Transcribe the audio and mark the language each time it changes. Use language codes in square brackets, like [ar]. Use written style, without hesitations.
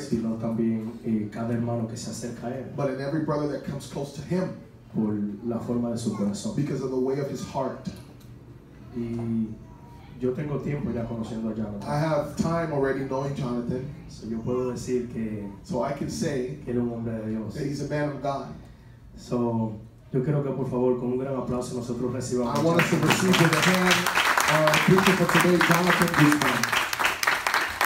[es] Sino también cada hermano que se acerca a él. [en] But in every brother that comes close to him. [es] Por la forma de su corazón. [en] Because of the way of his heart. [es] Y yo tengo tiempo ya conociendo a Jonathan. [en] I have time already knowing Jonathan. [es] So yo puedo decir que. [en] So I can say. [es] Que era un hombre de Dios. [en] That he's a man of God. [es] So, yo quiero que por favor con un gran aplauso nosotros recibamos. [en] I want us to receive with a hand our preacher for today, Jonathan Guzman.